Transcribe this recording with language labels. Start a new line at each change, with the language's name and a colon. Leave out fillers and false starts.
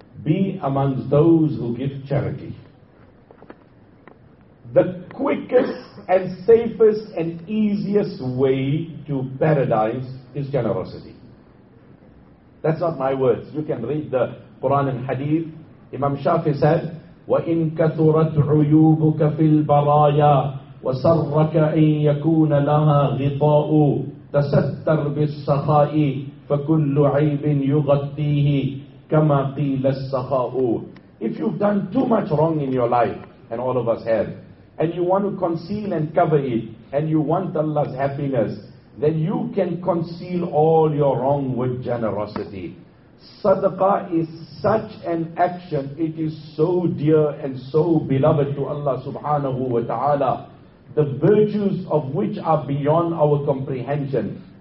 English: Be amongst those who give charity. The quickest and safest and easiest way to paradise is generosity. That's not my words. You can read the Quran and Hadith. Imam Shafi said,
Arabic: وَإِنْ كَثُرَتْ عُيُوبُكَ فِي الْبَرَايَا وَسَرَّكَ أَنْ يَكُونَ لَهَا غِطَاءُ تَسَتَّرْ بِالسَّخَاءِ فَكُلُّ عَيْبٍ يُغَطِّيهِ كَمَا قِيلَ السَّخَاءُ.
English: If you've done too much wrong in your life, and all of us have, and you want to conceal and cover it, and you want Allah's happiness, then you can conceal all your wrong with generosity. Sadaqah is such an action, it is so dear and so beloved to Allah subhanahu wa ta'ala, the virtues of which are beyond our comprehension.